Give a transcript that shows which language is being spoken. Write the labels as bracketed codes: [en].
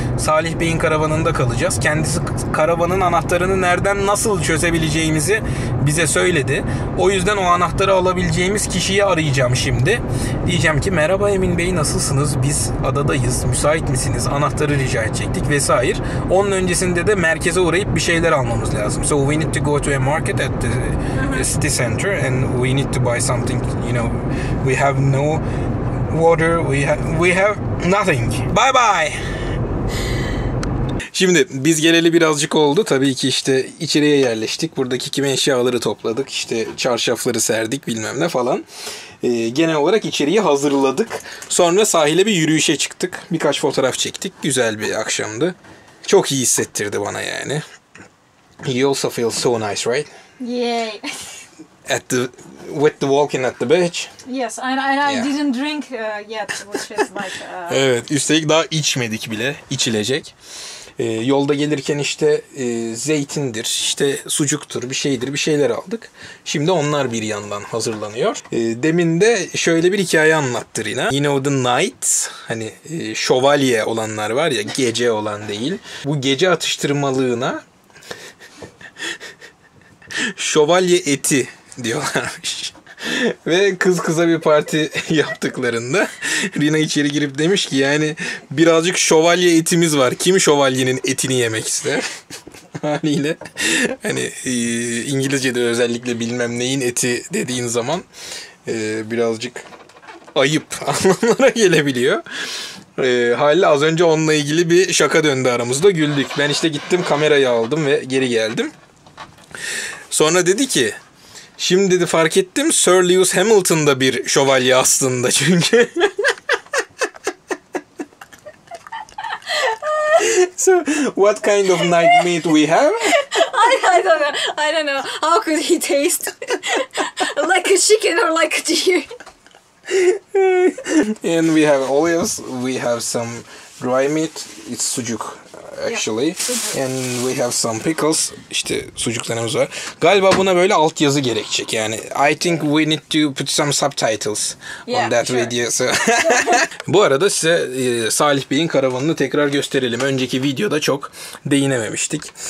[tr] Salih Bey'in karavanında kalacağız. Kendisi karavanın anahtarını nereden nasıl çözebileceğimizi bize söyledi. O yüzden o anahtarı alabileceğimiz kişiyi arayacağım şimdi. Diyeceğim ki merhaba Emin Bey, nasılsınız? Biz adadayız. Müsait misiniz? Anahtarı rica edecektik vesaire. Onun öncesinde de merkeze uğrayıp bir şeyler almamız lazım. [en] So we need to go to a market at the city center and we need to buy something, you know, we have no water, we have nothing. Bye bye. [tr] Şimdi biz geleli birazcık oldu. Tabii ki işte içeriye yerleştik. Buradaki kimi eşyaları topladık. İşte çarşafları serdik bilmem ne falan. Genel olarak içeriği hazırladık. Sonra sahile bir yürüyüşe çıktık. Birkaç fotoğraf çektik. Güzel bir akşamdı. Çok iyi hissettirdi bana yani. [en] You also feel so nice, right? Yay. At the with the walking at the beach. Yes, and I didn't drink yet, which is like. [tr] Evet, üstelik daha içmedik bile, içilecek. Yolda gelirken işte zeytindir, işte sucuktur, bir şeydir, bir şeyler aldık. Şimdi onlar bir yandan hazırlanıyor. Demin de şöyle bir hikaye anlattır yine. [en] You know the night, [tr] hani şövalye olanlar var ya, gece olan değil. Bu gece atıştırmalığına şövalye eti diyorlarmış. Ve kız kıza bir parti yaptıklarında Rina içeri girip demiş ki yani birazcık şövalye etimiz var. Kim şövalyenin etini yemek ister? Haliyle hani İngilizce'de özellikle bilmem neyin eti dediğin zaman birazcık ayıp anlamlara gelebiliyor. Haliyle az önce onunla ilgili bir şaka döndü aramızda, güldük. Ben işte gittim kamerayı aldım ve geri geldim. Sonra dedi ki şimdi dedi fark ettim Sir Lewis Hamilton da bir şövalye aslında çünkü. [en] So what kind of night meat we have? I don't know. How could he taste like a chicken or like a deer? And we have olives, we have some dry meat, it's sucuk. Actually, and we have some pickles. [tr] İşte sucuklarımız var. Galiba buna böyle altyazı gerekecek. Yani [en] I think we need to put some subtitles on that video. So. [tr] Bu arada size Salih Bey'in karavanını tekrar gösterelim. Önceki videoda çok değinememiştik.